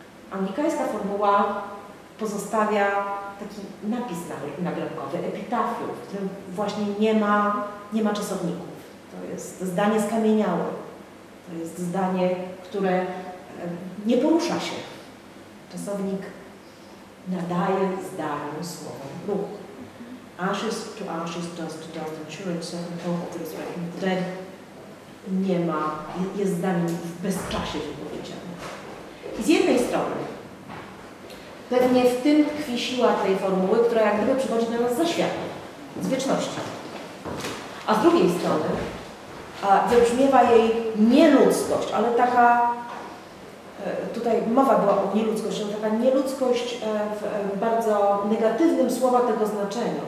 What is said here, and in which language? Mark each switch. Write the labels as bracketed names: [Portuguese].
[Polish] Anglikańska formuła pozostawia taki napis nagrobkowy, epitafium, w którym właśnie nie ma czasowników. To jest zdanie skamieniałe. To jest zdanie, które nie porusza się. Czasownik nadaje zdaniu, słowom, ruch. [English] Ashes to ashes, dust to dust, and sure and certain hope of the resurrection of the dead. [Polish] Nie ma, jest zdanie w bezczasie wypowiedziane. I z jednej strony, pewnie w tym tkwi siła tej formuły, która jak gdyby przychodzi do nas ze świata, z wieczności. A z drugiej strony, wybrzmiewa jej nieludzkość, ale taka, tutaj mowa była o nieludzkości, ale taka nieludzkość w bardzo negatywnym słowa tego znaczeniu.